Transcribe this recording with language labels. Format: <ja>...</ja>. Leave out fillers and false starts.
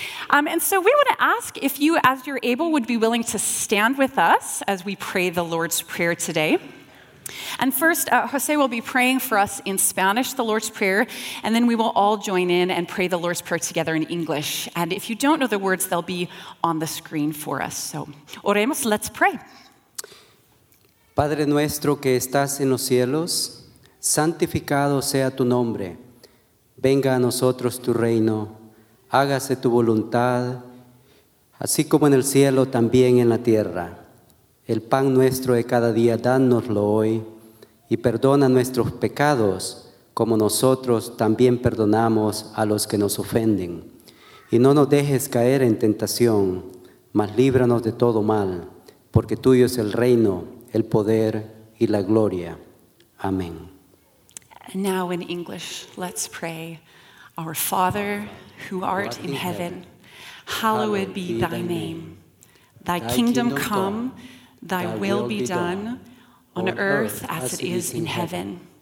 <en>And so we want to ask if you, as you're able, would be willing to stand with us as we pray the Lord's Prayer today. And first, Jose will be praying for us in Spanish, the Lord's Prayer, and then we will all join in and pray the Lord's Prayer together in English. And if you don't know the words, they'll be on the screen for us. So, oremos, let's pray.</en> <es>Padre nuestro que estás en los cielos, santificado sea tu nombre. Venga a nosotros tu reino, hágase tu voluntad, así como en el cielo, también en la tierra. El pan nuestro de cada día, dánoslo hoy, y perdona nuestros pecados, como nosotros también perdonamos a los que nos ofenden. Y no nos dejes caer en tentación, mas líbranos de todo mal, porque tuyo es el reino, el poder y la gloria. Amén.</es> <en>And now in English, let's pray. Our Father, who art in heaven, hallowed be thy name. Thy kingdom come, thy will be done, on earth as it is in heaven.</en>